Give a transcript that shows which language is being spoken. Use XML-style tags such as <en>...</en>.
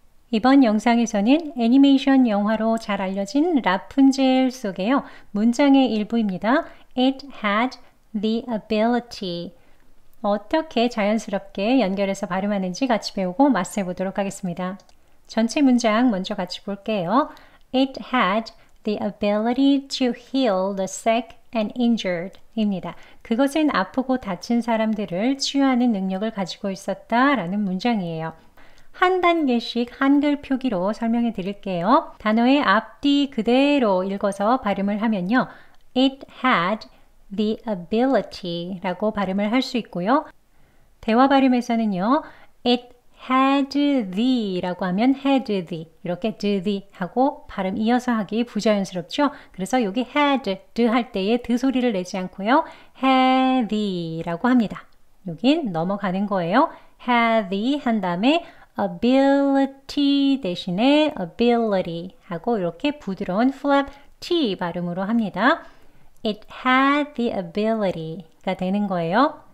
<ko>이번 영상에서는 애니메이션 영화로 잘 알려진 라푼젤 속의요 문장의 일부입니다.</ko> <en>It had the ability.</en> <ko>어떻게 자연스럽게 연결해서 발음하는지 같이 배우고 마스터해 보도록 하겠습니다. 전체 문장 먼저 같이 볼게요.</ko> <en>It had the ability to heal the sick and injured 입니다.</en> <ko>그것은 아프고 다친 사람들을 치유하는 능력을 가지고 있었다 라는 문장이에요. 한 단계씩 한글 표기로 설명해 드릴게요. 단어의 앞뒤 그대로 읽어서 발음을 하면요.</ko> <en>It had the ability</en> <ko>라고 발음을 할 수 있고요. 대화 발음에서는요.</ko> <en>It had the</en> <ko>라고 하면 had the 이렇게 the 하고 발음 이어서 하기 부자연스럽죠. 그래서 여기 had the 할 때의 the 소리를 내지 않고요. had the 라고 합니다. 여긴 넘어가는 거예요. had the 한 다음에 ability 대신에 ability 하고 이렇게 부드러운 flap t 발음으로 합니다.</ko> <en>It had the ability</en> <ko>가 되는 거예요.</ko>